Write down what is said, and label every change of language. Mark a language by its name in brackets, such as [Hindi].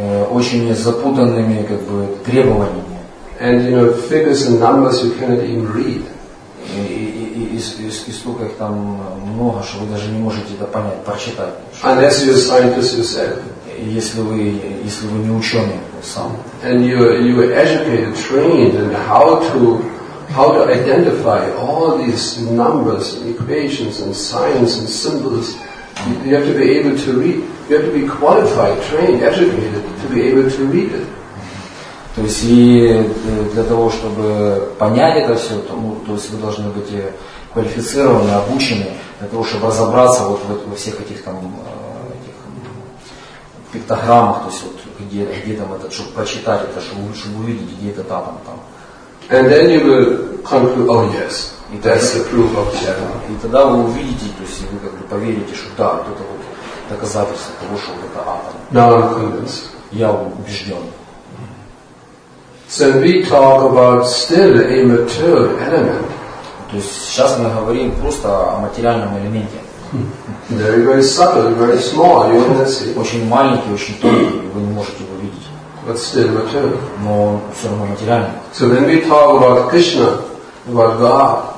[Russian] Очень запутанными как бы требованиями. [English] And you know figures and numbers you cannot even read. [Russian] И столько их там много, что вы даже не можете это понять, прочитать. [English] Unless you're a scientist yourself. [Russian] Если вы не ученый сам. [English] And you were educated, trained in how to identify all these numbers, equations, and signs and symbols. You have to be able to read. You have to be qualified, trained, educated to be able to read it. [Russian] То есть и для того, чтобы понять это все, то есть вы должны быть квалифицированы, обучены для того, чтобы разобраться вот во всех этих там этих пиктограммах, то есть вот где там это, чтобы прочитать это, чтобы лучше увидеть, где этот атом там. [English] And then you will conclude, oh yes. И that's the proof of the atom. [Russian] И тогда вы увидите, то есть вы как бы поверите, что да, вот это вот доказательство того, что вот это атом. [English] Now I'm convinced. [Russian] Я убежден. [English] So we talk about still a material element. [Russian] То есть сейчас мы говорим просто о материальном элементе. [English] Very, very subtle, very small. You cannot see. [Russian] Очень маленький, очень тонкий, вы не можете его видеть. [English] But still material. [Russian] Но все равно материальный. [English] So when we talk about Krishna, about God,